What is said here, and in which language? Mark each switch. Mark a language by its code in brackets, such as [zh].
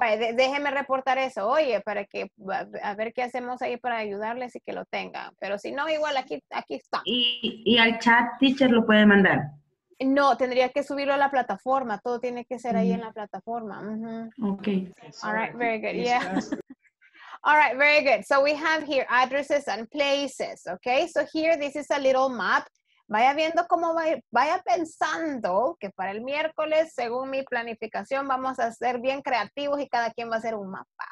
[es] Déjeme reportar eso, oye, para que a ver qué hacemos ahí para ayudarles y que lo tengan. Pero si no, igual aquí está. ¿Y al chat teacher lo puede mandar? No, tendría que subirlo a la plataforma. Todo tiene que ser ahí en la plataforma. Ok. [en] All right, very good. Yeah. All right, very good. So we have here addresses and places, okay? So here, this is a little map. [es] Vaya viendo cómo vaya pensando que para el miércoles, según mi planificación, vamos a ser bien creativos y cada quien va a hacer un mapa.